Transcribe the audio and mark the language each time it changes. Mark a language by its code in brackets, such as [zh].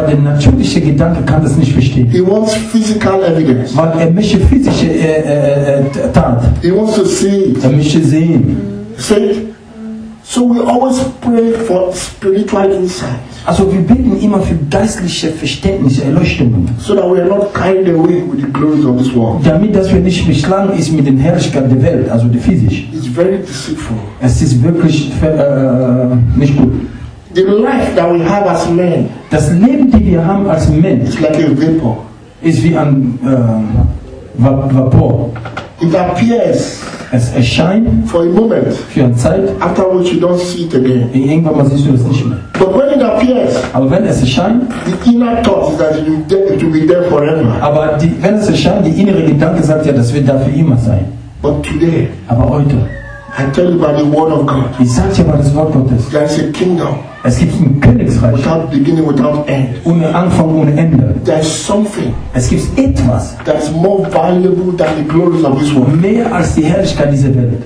[de] Aber der natürliche Gedanke kann das nicht verstehen. [en] He wants physical evidence. [de] Weil möchte physische Tat. [en] He wants to see. [de] Er möchte sehen. [en] See? So we always pray for spiritual insight. [de] Also wir beten immer für geistliche Verständnis, Erleuchtung. [en] So that we are not carried away with the glories of this world. [de] Damit dass wir nicht beschlagen ist mit den Herrlichkeiten der Welt, also der physisch. [en] It's very deceitful. [de] Es ist wirklich nicht gut. [en] The life that we have as men. [de] Das Leben, die wir haben als [en] Men. It's like a vapor. [de] Ist wie ein Vapor. [en] It appears. [de] Es erscheint [en] for a moment, [de] für eine Zeit, [en] after which you don't see it again. [de] Irgendwann mal siehst du es nicht mehr. [en] But when it appears, [de] aber wenn es erscheint, [en] the inner thought is that it will be there forever. [de] Aber wenn es erscheint, die innere Gedanke sagt ja, das wird da für immer sein. [en] But today, [de] aber heute, [en] I tell you about the word of God. [de] Ich sage dir über das Wort Gottes. [en] There is a kingdom. [de] Es gibt ein Königreich. [en] Without beginning, without end. [de] Ohne Anfang, ohne Ende. [en] There is something. [de] Es gibt etwas. [en] That is more valuable than the glories of this world. [de] Mehr als die Herrlichkeit dieser Welt.